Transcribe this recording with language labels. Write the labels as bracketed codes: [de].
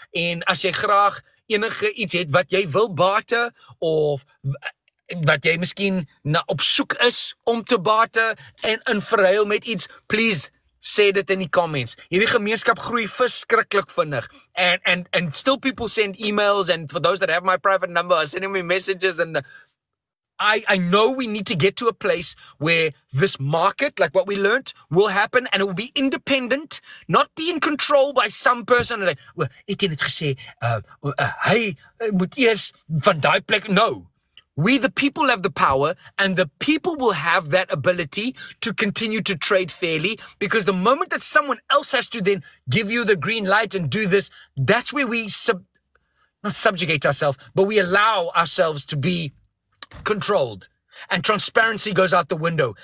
[af] En as jy graag enige iets het wat jy wil bate, of wat jy miskien na op soek is om te bate en in verhuil met iets, please sê dit in die comments. Hierdie gemeenskap groei verskriklik vinnig. [en] And still people send emails, and for those that have my private number, are sending me messages, and I know we need to get to a place where this market, like what we learnt, will happen and it will be independent, not be in control by some person. [af] Ek het net gesê, hy moet eers van daai plek. [en] No. We the people have the power, and the people will have that ability to continue to trade fairly, because the moment that someone else has to then give you the green light and do this, that's where we not subjugate ourselves, but we allow ourselves to be controlled, and transparency goes out the window.